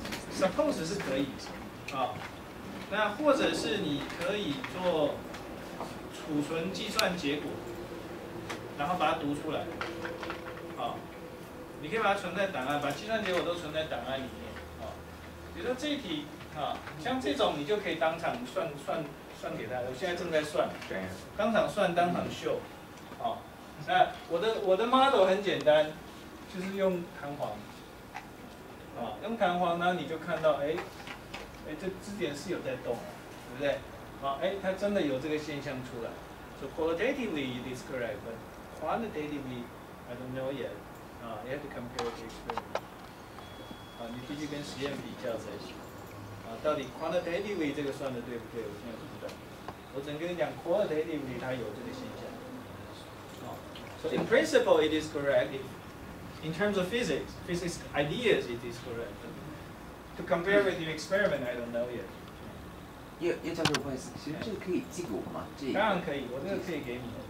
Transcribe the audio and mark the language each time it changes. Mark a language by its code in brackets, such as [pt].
[zh] Suppose 是可以，啊、哦，那或者是你可以做储存计算结果，然后把它读出来，啊、哦，你可以把它存在档案，把计算结果都存在档案里面，啊、哦，比如说这一题，啊、哦，像这种你就可以当场算给他，我现在正在算，当场算当场秀，啊、哦，那我的 model 很简单，就是用弹簧。哦、用弹簧呢，你就看到，哎、欸，这支点是有在动，对不对？好、哦，哎、欸，它真的有这个现象出来。 [en] So qualitatively it is correct, but quantitatively I don't know yet. [zh] 啊、哦， [en] you have to compare the experiment. [zh] 啊、哦，你必须跟实验比较才行。啊、哦，到底 quantitatively 这个算的对不对？我现在不知道。我只能跟你讲 qualitatively 它有这个现象。 [en] 啊、哦， so in principle it is correct. In terms of physics ideas, it is correct. To compare with your experiment, I don't know yet. [zh] 要教授，不好意思，其实这个可以寄给我吗？当然可以，我这个可以给你。